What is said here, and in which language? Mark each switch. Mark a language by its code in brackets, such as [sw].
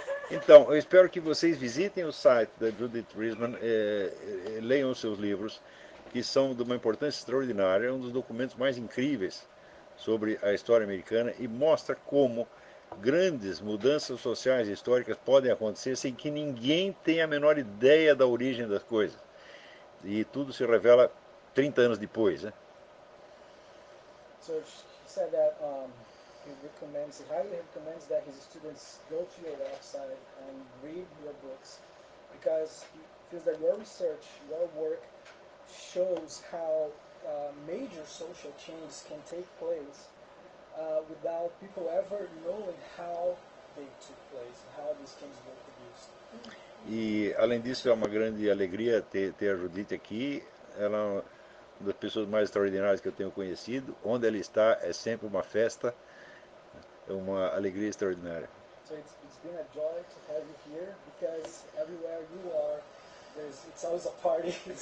[pt] Então, eu espero que vocês visitem o site da Judith Riesman, leiam os seus livros, que são de uma importância extraordinária, é um dos documentos mais incríveis sobre a história americana e mostra como grandes mudanças sociais e históricas podem acontecer sem que ninguém tenha a menor ideia da origem das coisas. E tudo se revela 30 anos depois, né? [en] Said that he recommends, he highly recommends that his students go to your website and read your books because he feels that your research, your work shows how major social changes can take place without people ever knowing how they took place, how these things were produced. [pt] E além disso, é uma grande alegria ter a Judith aqui. Ela das pessoas mais extraordinárias que eu tenho conhecido. Onde ela está é sempre uma festa, é uma alegria extraordinária. [en] So it's been a joy to have you here because everywhere you are, it's always a party.